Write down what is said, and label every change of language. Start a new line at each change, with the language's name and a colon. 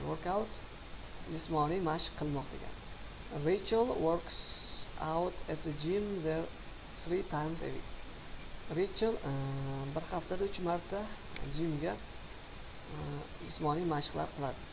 Uzbek: Workout jismoniy mashq qilmoq degani.
English: Rachel works out at the gym there 3 times a week.
Uzbek: Rachel bir haftada 3 marta gymga jismoniy mashqlar qiladi.